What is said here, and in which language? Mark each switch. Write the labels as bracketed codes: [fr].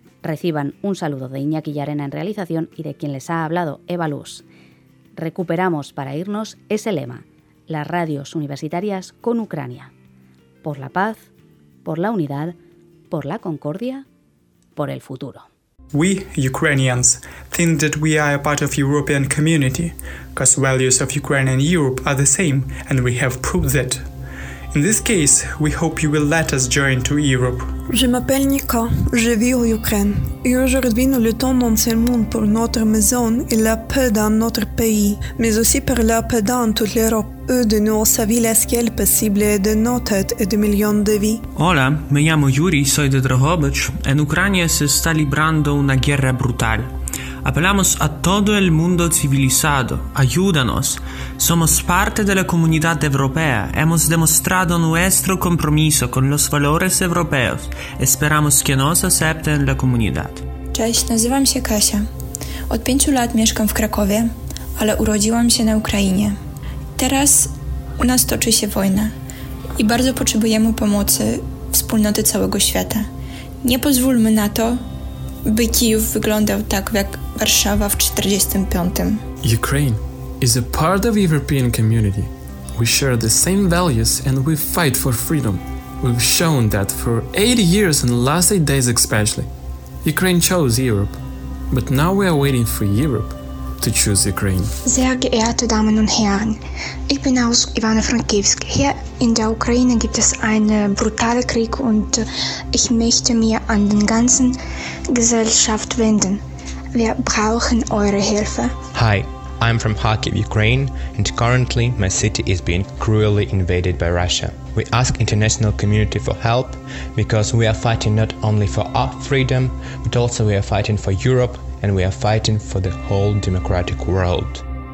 [es] Reciban un saludo de Iñaki Llarena en realización y de quien les ha hablado, Eva Luz. Recuperamos para irnos ese lema, las radios universitarias con Ucrania. Por la paz, por la unidad, por la concordia, por el futuro. [en] We Ukrainians think that we are a part of European community, because values of Ukraine and Europe are the same, and we have proved that. In this case, we hope you will let us join to Europe. [fr] Je m'appelle Nika, je vis en Ukraine, et aujourd'hui nous luttons non seulement pour notre maison et la paix dans notre pays, mais aussi pour la paix dans toute l'Europe. Eux de nous ont savé la scale possible de nos têtes et de millions de vies. [es] Hola, me llamo Yuri, soy de Drohobych, en Ucrania se está librando una guerra brutal. Apelamos a todo el mundo civilizado, ayúdanos. Somos parte de la comunidad europea, hemos demostrado nuestro compromiso con los valores europeos. Esperamos que nos acepten la comunidad. [pl] Cześć, nazywam się Kasia. Od 5 lat mieszkam w Krakowie, ale urodziłam się na Ukrainie. Teraz u nas toczy się wojna i bardzo potrzebujemy pomocy wspólnoty całego świata. Nie pozwólmy na to, by Kijów wyglądał tak jak Warszawa w 45. [en] Ukraine is a part of European community. We share the same values and we fight for freedom. We've shown that for 80 years and the last 8 days especially. Ukraine chose Europe, but now we are waiting for Europe to choose Ukraine. [de] Sehr geehrte Damen und Herren, ich bin aus Ivano-Frankivsk. Hier in der Ukraine gibt es einen brutalen Krieg und ich möchte mir an den ganzen Gesellschaft wenden. Wir brauchen eure Hilfe. [en] Hi, I'm from Kharkiv, Ukraine, and currently my city is being cruelly invaded by Russia. We ask international community for help because we are fighting not only for our freedom, but also we are fighting for Europe and we are fighting for the whole democratic world.